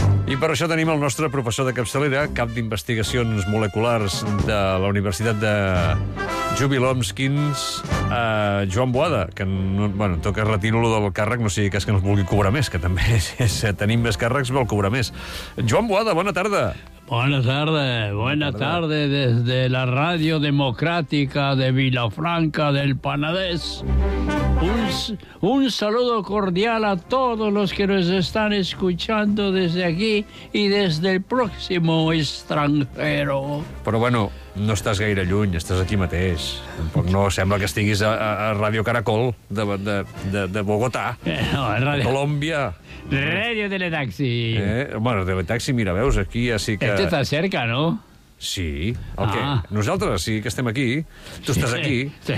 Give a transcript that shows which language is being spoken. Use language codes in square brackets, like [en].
[ca] I per això tenim el nostre professor de capçalera, cap d'investigacions moleculars de la Universitat de Jubilomskins, Joan Boada, que no, bueno, en tot cas retiro-lo del càrrec, no sigui cas que no es vulgui cobrar més, que també si tenim més càrrecs vol cobrar més. Joan Boada, bona tarda. [es] Buenas tardes desde la Radio Democrática de Vilafranca del Penedès. Un saludo cordial a todos los que nos están escuchando desde aquí y desde el próximo extranjero. [ca] Però bueno, no estàs gaire lluny, estàs aquí mateix. Tampoc no sembla que estiguis a Radio Caracol de Bogotà, Radio... Colòmbia. Radio Teletaxi. Bueno, Teletaxi, mira, veus, aquí ja sí que... [es] Este está cerca, ¿no? [ca] Sí. El que nosaltres sí que estem aquí. Tu estàs aquí.